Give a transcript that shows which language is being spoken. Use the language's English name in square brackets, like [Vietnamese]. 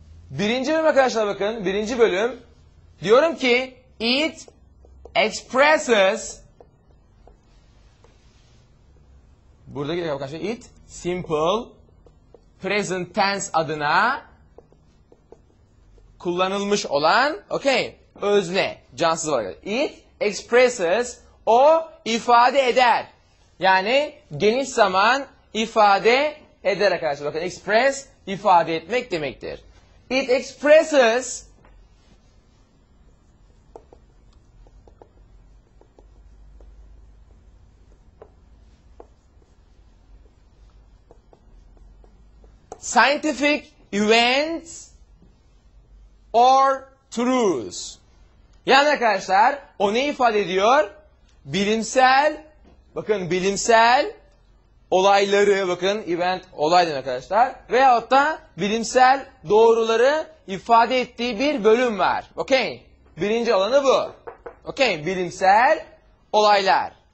[Turkish] Birinci bölüm arkadaşlar bakın. Birinci bölüm diyorum ki [English] it expresses, [Turkish] burada geliyor arkadaşlar, [English] it simple present tense [Turkish] adına kullanılmış olan okay özne cansız olarak. [English] It expresses, [Turkish] o ifade eder. Yani geniş zaman ifade eder arkadaşlar. Bakın express ifade etmek demektir. [English] It expresses scientific events or truths. [Turkish] Yani arkadaşlar o ne ifade ediyor? Bilimsel, bakın bilimsel olayları, bakın event olay demek arkadaşlar. Veyahut da bilimsel doğruları ifade ettiği bir bölüm var. Okay. Birinci alanı bu. Okay. Bilimsel olaylar.